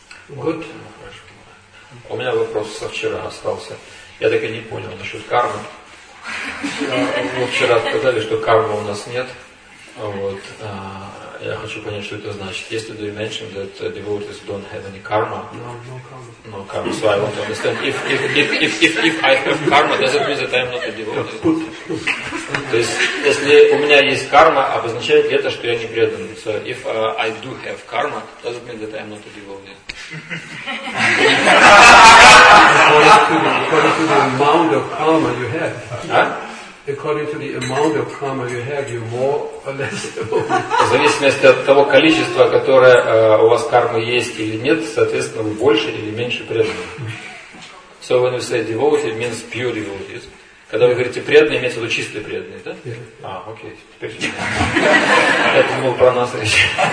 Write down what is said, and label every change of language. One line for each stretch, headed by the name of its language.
English: Good.
Russian: У меня вопрос со вчера остался. Я так и не понял насчет кармы. Мы вчера сказали, что кармы у нас нет. Вот. Я хочу понять, что это значит. Если
English: you mentioned that devotees don't have any karma. No karma. So I want to understand. If I have karma, does it mean that I am not a devotee?
Russian: То есть, если у меня есть карма, обозначает ли это, что я не преданный?
English: So if I do have karma, does it mean that I am not a devotee? According to the amount of karma you have. According to the amount of karma you have, you more or less.
Russian: В зависимости от того количества, которое у вас кармы есть или нет, соответственно, вы больше или меньше преданы.
English: So when you say devotee, it means pure devotee.
Russian: Когда вы говорите преданный, имеется в виду чистый преданный, да?
English: Yeah.
Russian: А, окей. Теперь это было про нас речь.